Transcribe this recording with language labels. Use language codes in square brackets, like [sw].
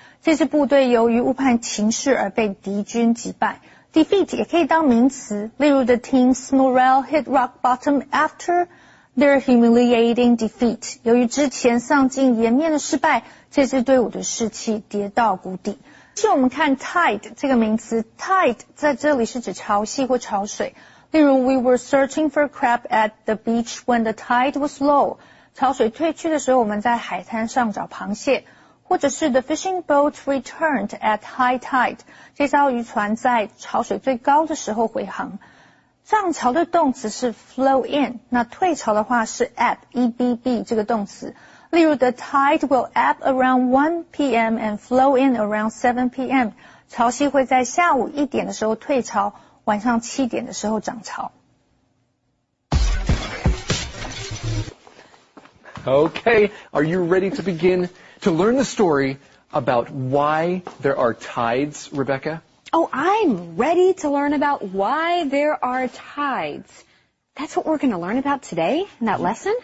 [zh] 这支部队由于误判情势而被敌军击败。 [en] Defeat [zh] 也可以当名词，例如 [en] The team's morale hit rock bottom after their humiliating defeat. [zh] 由于之前丧尽颜面的失败，这支队伍的士气跌到谷底。接着我们看 tide 这个名词 ,tide 在这里是指潮汐或潮水。例如 [en] ,we were searching for crab at the beach when the tide was low. [zh] 潮水退去的时候我们在海滩上找螃蟹。或者是 [en] ,the fishing boat returned at high tide. [zh] 这艘渔船在潮水最高的时候回航。涨潮的动词是 flow in, 那退潮的话是 ebb 这个动词。例如 [en] ,the tide will ebb around 1 p.m. and flow in around 7 p.m. [zh] 潮汐会在下午1点的时候退潮，晚上7点的时候涨潮。 [en] Okay, are you ready to begin to learn the story about why there are tides, Rebecca? Oh, I'm ready to learn about why there are tides. That's what we're going to learn about today in that lesson?